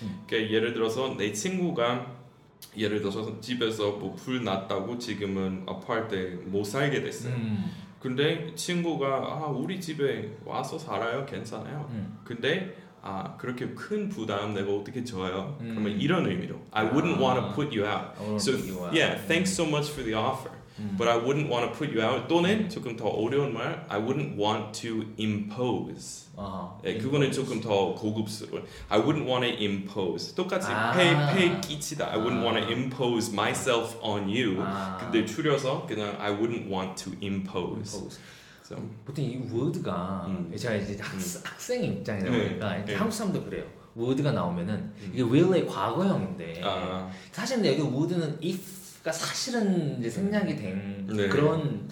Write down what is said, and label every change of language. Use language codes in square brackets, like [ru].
[ko] 그러니까 예를 들어서 내 친구가 예를 들어서 집에서 뭐 불 났다고 지금은 아파트에 못 살게 됐어요. 근데 친구가 아 우리 집에 와서 살아요 괜찮아요. 근데 아 그렇게 큰 부담 내가 어떻게 줘요? 그러면 이런 의미로 [en] I wouldn't 아, want to put you out. So yeah, thanks so much for the offer, but I wouldn't want to put you out. [ko] 또는 조금 더 어려운 말, [en] I wouldn't want to impose. [ko] 예, 그거는 조금 더 고급스러운. [en] I wouldn't want to impose. [ko] 똑같이 폐 끼치다. [en] I wouldn't want to impose myself on you. [ko] 아. 근데 줄여서 그냥 [en] I wouldn't want to impose. So. [ko] 보통 이 word가 제가 이제 학생 입장이다 보니까 네. 한국 사람도 그래요. word가 나오면은 이게 will의 과거형인데 아. 사실 여기 word는 if가 사실은 이제 생략이 된 네. 그런